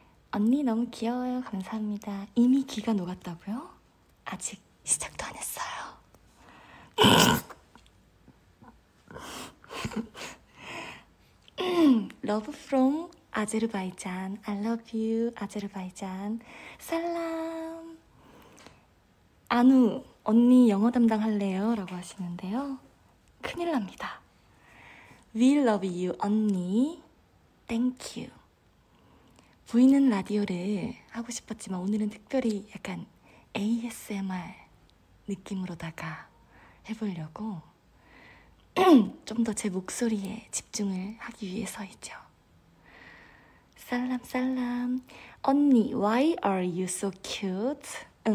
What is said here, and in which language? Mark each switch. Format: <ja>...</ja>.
<ko>언니 너무 귀여워요. 감사합니다. 이미 기가 녹았다고요? 아직 시작도 안 했어요.</ko> <en>러브 프롬 아제르바이잔. I love you, 아제르바이잔.</en> <az>살람.</az> <ko>아누, 언니 영어 담당할래요? 라고 하시는데요. 큰일 납니다.</ko> <en>We love you, 언니. Thank you.</en> <ko>보이는 라디오를 하고 싶었지만 오늘은 특별히 약간 ASMR 느낌으로다가 해보려고 좀더제 목소리에 집중을 하기 위해서이죠.</ko> <az>살람 살람.</az> <en>언니, why are you so cute?</en>